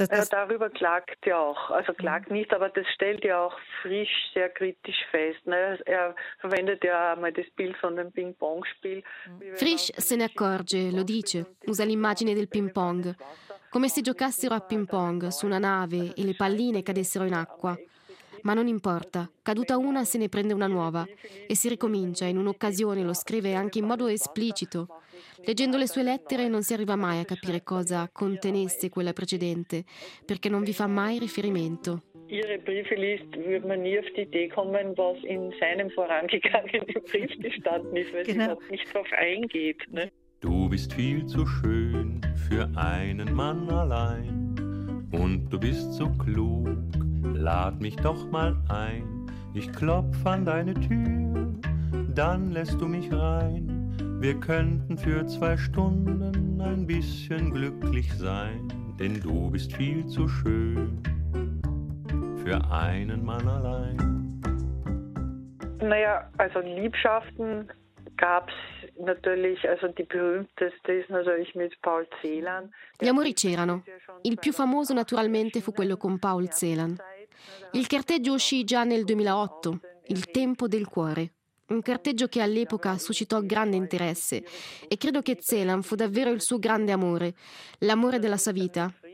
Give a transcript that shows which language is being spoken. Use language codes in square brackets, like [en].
[de] Darüber klagt er auch, also klagt nicht, aber das stellt er auch Frisch sehr kritisch fest. Er verwendet ja mal das Bild von dem Ping-Pong-Spiel. [it] Frisch se ne accorge, lo dice, usa l'immagine del Ping-Pong. Come se giocassero a Ping-Pong su una nave e le palline cadessero in acqua. Ma non importa, caduta una se ne prende una nuova e si ricomincia. In un'occasione lo scrive anche in modo esplicito. Leggendo le sue lettere non si arriva mai a capire cosa contenesse quella precedente, perché non vi fa mai riferimento. [de] Ihre Briefe liest, würde man nie auf die Idee kommen, was in seinem vorangegangenen Brief gestanden ist, weil genau. Sie nicht drauf eingeht. Ne? Du bist viel zu schön für einen Mann allein und du bist so klug, lad mich doch mal ein. Ich klopf an deine Tür, dann lässt du mich rein. Wir könnten für zwei Stunden ein bisschen glücklich sein, denn du bist viel zu schön für einen Mann allein. Naja, also Liebschaften gab's natürlich, also die berühmteste ist natürlich mit Paul Celan. [it] Gli amori c'erano. Il più famoso naturalmente fu quello con Paul Celan. Il carteggio uscì già nel 2008, Il tempo del cuore. Un carteggio che all'epoca suscitò grande interesse e credo che Celan fu davvero il suo grande amore, l'amore della sua vita.